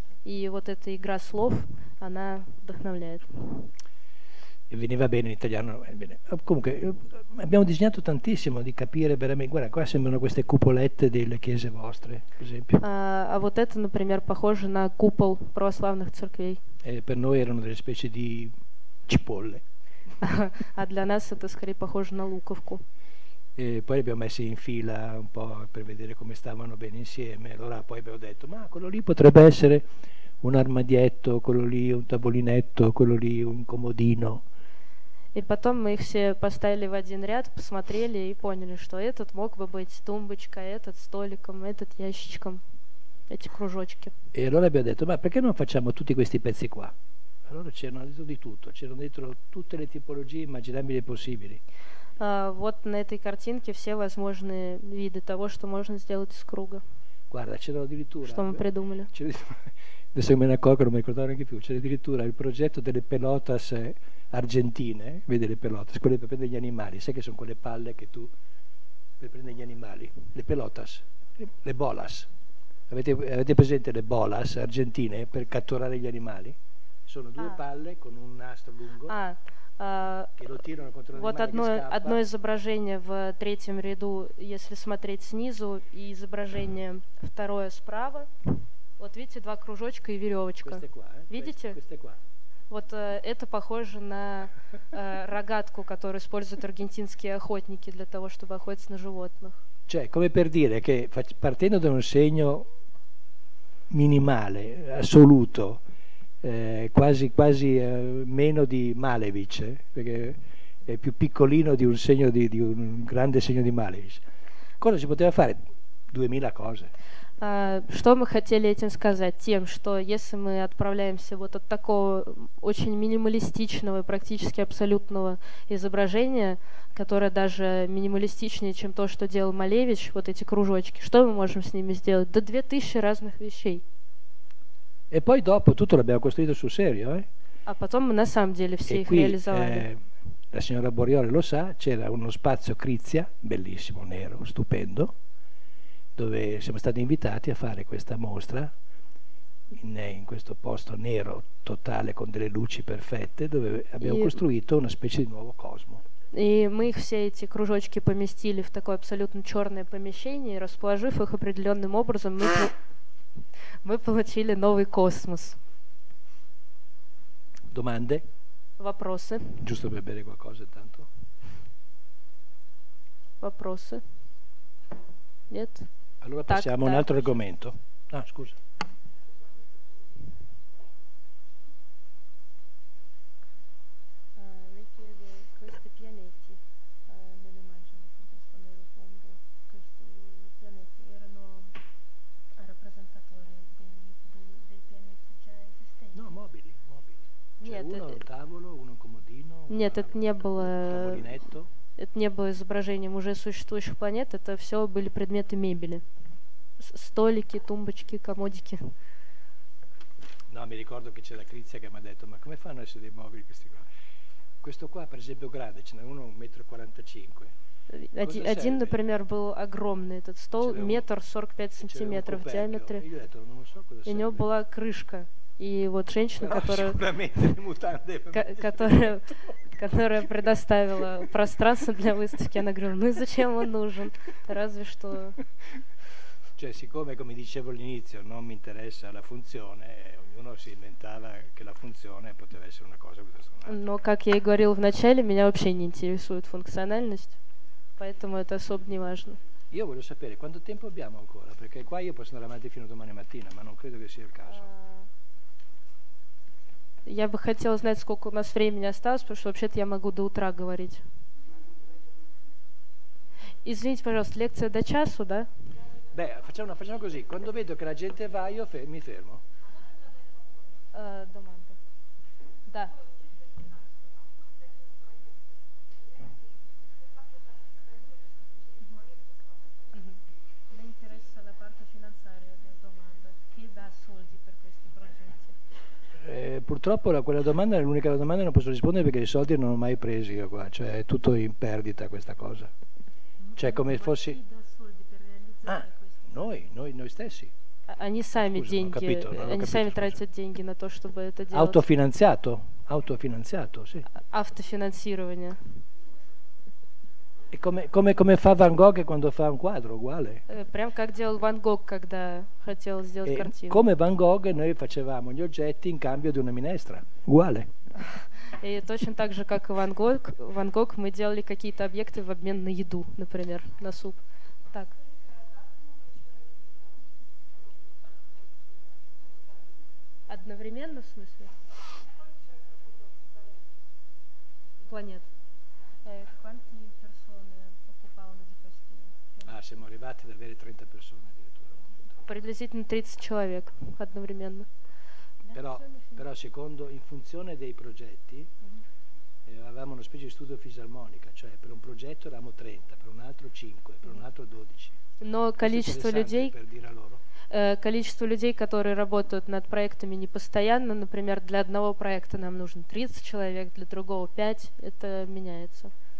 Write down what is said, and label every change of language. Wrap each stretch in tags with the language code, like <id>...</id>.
<ru>И вот эта игра слов, она вдохновляет.</ru> <it>Veniva bene in italiano, bene. Comunque abbiamo disegnato tantissimo di capire veramente, guarda qua sembrano queste cupolette delle chiese vostre, per esempio.</it> <ru>A вот это, например, похоже на купол православных церквей.</ru> <it>Per noi erano delle specie di cipolle.</it> <ru>А для нас это скорее похоже на луковку.</ru> <it>E poi li abbiamo messi in fila un po' per vedere come stavano bene insieme, allora poi abbiamo detto, ma quello lì potrebbe essere un armadietto, quello lì un tavolinetto, quello lì un comodino.</it> <ru>И потом мы их все поставили в один ряд, посмотрели и поняли, что этот мог бы быть тумбочкой, этот столиком, этот ящичком, эти кружочки.</ru> <it>E allora abbiamo detto, ma perché non facciamo tutti questi pezzi qua? Allora c'erano dentro di tutto, c'erano dentro tutte le tipologie immaginabili possibili.</it> <ru>Вот на этой картинке все возможные виды того, что можно сделать из круга.</ru> <it>Guarda, c'erano addirittura.</it> <ru>Что мы придумали?</ru> <it>Adesso me ne accorgo, non mi ricordavo neanche più. C'era addirittura il progetto delle pelotas argentine, vedi le pelotas, quelle per prendere gli animali, sai che sono quelle palle che tu per prendere gli animali, le pelotas, le bolas, avete presente le bolas argentine per catturare gli animali? Sono due palle con un nastro lungo che lo tirano contro l'animale che scappa.</it> <ru>Вот одно изображение в третьем ряду, если смотреть снизу, и изображение второе справа. Вот видите, два кружочка и веревочка. Видите? Вот это похоже на рогатку, которую используют аргентинские охотники для того, чтобы охотиться на животных.</ru> <it>Cioè, come per dire che partendo da un segno minimale, assoluto, quasi meno di Malevich, perché è più piccolino di un segno di un grande segno di Malevich. Cosa si poteva fare? 2000 cose.</it> <ru>Что мы хотели этим сказать? Тем, что если мы отправляемся вот от такого очень минималистичного, практически абсолютного изображения, которое даже минималистичнее, чем то, что делал Малевич, вот эти кружочки, что мы можем с ними сделать? Да 2000 разных вещей.</ru> <it>E poi dopo tutto l'abbiamo costruito sul serio,</it> <ru>А потом мы на самом деле все их реализовали.</ru> <it>La signora Borioli lo sa, c'era uno spazio Crizia, bellissimo, nero, stupendo, dove siamo stati invitati a fare questa mostra in questo posto nero totale con delle luci perfette dove abbiamo costruito una specie di nuovo cosmo.</it> <ru>E мы их все эти кружочки поместили в такое абсолютно чёрное помещение, расположив их определённым образом, мы получили новый космос.</ru> <it>Domande?</it> <ru>Вопросы?</ru> <it>Giusto per bere qualcosa intanto.</it> <ru>Вопросы? Нет.</ru> <it>Allora passiamo a un altro argomento. No, scusa. Le chiedo questi pianeti nelle immagini che ci sono nel fondo, questi pianeti erano rappresentatori dei pianeti già esistenti? No, mobili. Cioè uno un tavolo, uno un comodino.</it> <ru>Это не было изображением уже существующих планет, это все были предметы мебели. Столики, тумбочки, комодики.</ru> <it>No, mi ricordo che c'era Crizia che mi ha detto, ma come fanno a essere dei mobili questi qua? Questo qua, per esempio, grande, ce n'è uno 1,45 m.</it> <ru>Один, например, был огромный этот стол, 1,45 м в диаметре. И у него была крышка. И вот женщина, которая предоставила пространство для выставки, она говорила, ну и зачем он нужен? Разве что...</ru> <it>Cioè, siccome, come dicevo all'inizio, non mi interessa la funzione, ognuno si inventava che la funzione poteva essere una cosa piuttosto un'altra.</it> <ru>Но, как я и говорил вначале, меня вообще не интересует функциональность, поэтому это особо не важно.</ru> <it>Io voglio sapere quanto tempo abbiamo ancora, perché qua io posso andare avanti fino a domani mattina, ma non credo che sia il caso.</it> <ru>Я бы хотела знать, сколько у нас времени осталось, потому что вообще-то я могу до утра говорить. Извините, пожалуйста, лекция до часу, да?</ru> <it>Beh, facciamo così. Quando vedo che la gente va, io mi fermo. Domanda. Da. Mi interessa la parte finanziaria della domanda. Chi dà soldi per questi progetti? Purtroppo quella domanda è l'unica domanda che non posso rispondere perché i soldi non ho mai presi io qua. Cioè, è tutto in perdita questa cosa. Cioè, come fossi... Chi dà soldi per realizzare? Noi stessi.</it> <ru>они сами</ru> <it>Scusa,</it> <ru>деньги,</ru> <it>capito,</it> <ru>они</ru> <it>capito,</it> <ru>сами</ru> <it>scusa.</it> <ru>Тратят деньги на то, чтобы это делать.</ru> <it>Автофинансиато, автофинансиато, sì.</it> <ru>Автофинансирование.</ru> <it>E come fa Van Gogh quando fa un quadro uguale?</it> <ru>Прям как делал Ван Гог, когда хотел сделать e картину.</ru> <it>Come Van Gogh noi facevamo gli oggetti in cambio di una minestra. Uguale.</it> <ru>E точно так же, как Ван Гог, мы делали какие-то объекты в обмен на еду, например, на суп. Так. Одновременно, в смысле? Планет.</ru> <it>Quanti persone occupavano di questi? Ah, siamo arrivati ad avere 30 persone addirittura.</it> <ru>Приблизительно 30 человек одновременно.</ru> <it>Però secondo, in funzione dei progetti, avevamo una specie di studio fisarmonica, cioè per un progetto eravamo 30, per un altro 5, per un altro 12.</it> <ru>Но количество людей... Количество людей, которые работают над проектами непостоянно, например, для одного проекта нам нужно 30 человек, для другого 5, это меняется.</ru>